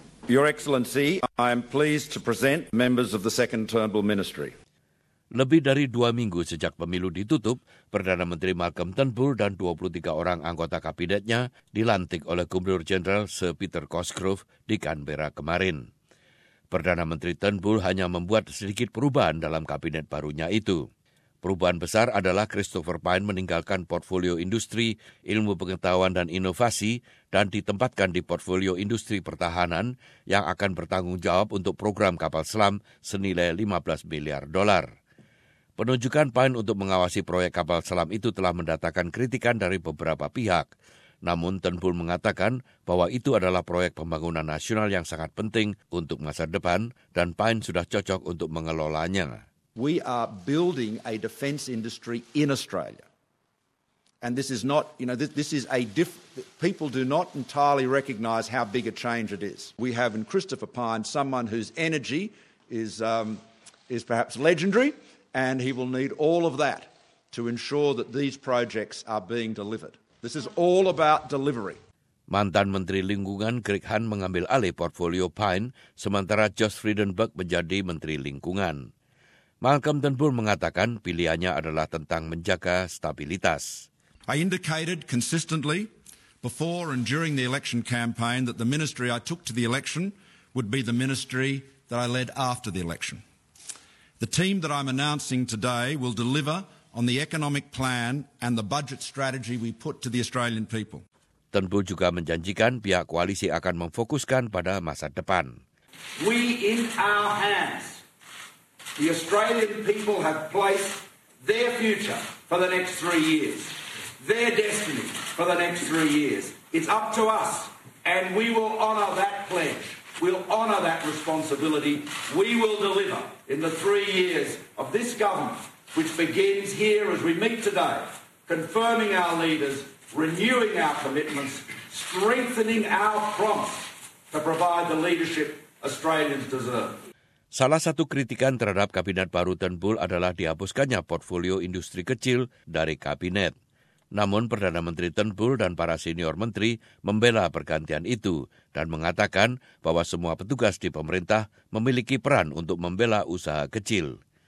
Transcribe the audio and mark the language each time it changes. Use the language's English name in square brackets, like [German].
[English] Your Excellency, I am pleased to present members of the second Turnbull ministry. [Indonesian] Lebih dari dua minggu sejak pemilu ditutup, Perdana Menteri Malcolm Turnbull dan 23 orang anggota kabinetnya dilantik oleh Gubernur Jenderal Sir Peter Cosgrove di Canberra kemarin. Perdana Menteri Turnbull hanya membuat sedikit perubahan dalam kabinet barunya itu. Perubahan besar adalah Christopher Pyne meninggalkan portfolio industri, ilmu pengetahuan dan inovasi dan ditempatkan di portfolio industri pertahanan yang akan bertanggung jawab untuk program kapal selam senilai 15 miliar dolar. Penunjukan Pyne untuk mengawasi proyek kapal selam itu telah mendatangkan kritikan dari beberapa pihak. Namun Turnbull mengatakan bahwa itu adalah proyek pembangunan nasional yang sangat penting untuk masa depan dan Pyne sudah cocok untuk mengelolanya. [English] We are building a defense industry in Australia. And this is not, you know, people do not entirely recognize how big a change it is. We have in Christopher Pyne someone whose energy is perhaps legendary, and he will need all of that to ensure that these projects are being delivered. This is all about delivery. [Indonesian] Mantan Menteri Lingkungan Greg Hunt mengambil alih portfolio Pyne, sementara Josh Frydenberg menjadi Menteri Lingkungan. Malcolm Turnbull mengatakan pilihannya adalah tentang menjaga stabilitas. [English] I indicated consistently before and during the election campaign that the ministry I took to the election would be the ministry that I led after the election. The team that I'm announcing today will deliver on the economic plan and the budget strategy we put to the Australian people. [Indonesian] Turnbull juga menjanjikan pihak koalisi akan memfokuskan pada masa depan. [English] We in our hands. The Australian people have placed their future for the next 3 years, their destiny for the next 3 years. It's up to us, and we will honour that pledge. We'll honour that responsibility. We will deliver in the 3 years of this government, which begins here as we meet today, confirming our leaders, renewing our commitments, strengthening our promise to provide the leadership Australians deserve. [Indonesian] Salah satu kritikan terhadap kabinet baru Turnbull adalah dihapuskannya portfolio industri kecil dari kabinet. Namun Perdana Menteri Turnbull dan para senior menteri membela pergantian itu dan mengatakan bahwa semua petugas di pemerintah memiliki peran untuk membela usaha kecil.